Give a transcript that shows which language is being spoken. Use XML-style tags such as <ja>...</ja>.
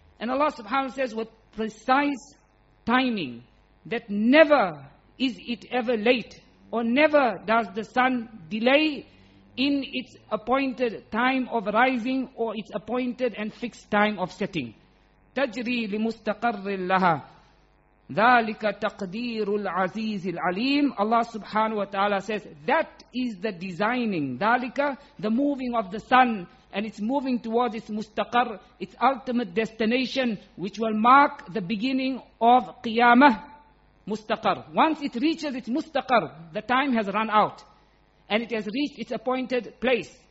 <en>And Allah subhanahu wa ta'ala says, with precise timing, that never is it ever late, or never does the sun delay in its appointed time of rising or its appointed and fixed time of setting.</en> <ar>تجري لمستقر لها ذلك تقدير العزيز العليم.</ar> <en>Allah subhanahu wa ta'ala says, that is the designing, ذلك, the moving of the sun, and it's moving towards its mustaqar, its ultimate destination, which will mark the beginning of qiyamah, mustaqar. Once it reaches its mustaqar, the time has run out, and it has reached its appointed place.</en>